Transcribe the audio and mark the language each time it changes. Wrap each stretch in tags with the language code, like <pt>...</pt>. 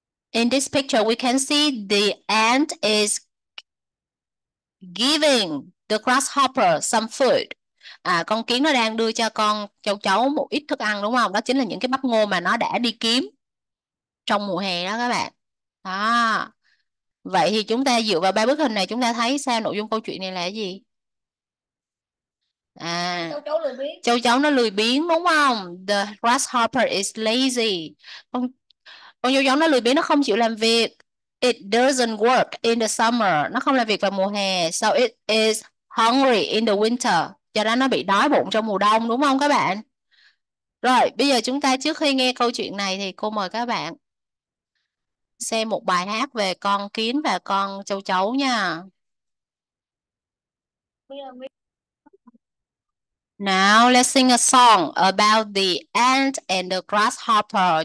<en>In this picture, we can see the ant is giving the grasshopper some food.</en> <vi>À, con kiến nó đang đưa cho con châu chấu một ít thức ăn đúng không? Đó chính là những cái bắp ngô mà nó đã đi kiếm trong mùa hè đó các bạn. Đó. Vậy thì chúng ta dựa vào ba bức hình này chúng ta thấy sao nội dung câu chuyện này là cái gì? À, Châu chấu lười biếng. châu chấu nó lười biếng đúng không?</vi> <en>The grasshopper is lazy.</en> <vi>Con châu chấu nó lười biếng nó không chịu làm việc.</vi> <en>It doesn't work in the summer.</en> <vi>Nó không làm việc vào mùa hè.</vi> <en>So it is hungry in the winter.</en> <vi>Cho nên nó bị đói bụng trong mùa đông đúng không các bạn? Rồi, bây giờ chúng ta trước khi nghe câu chuyện này thì cô mời các bạn xem một bài hát về con kiến và con châu chấu nha.</vi> <en>Now let's sing a song about the ant and the grasshopper.</en>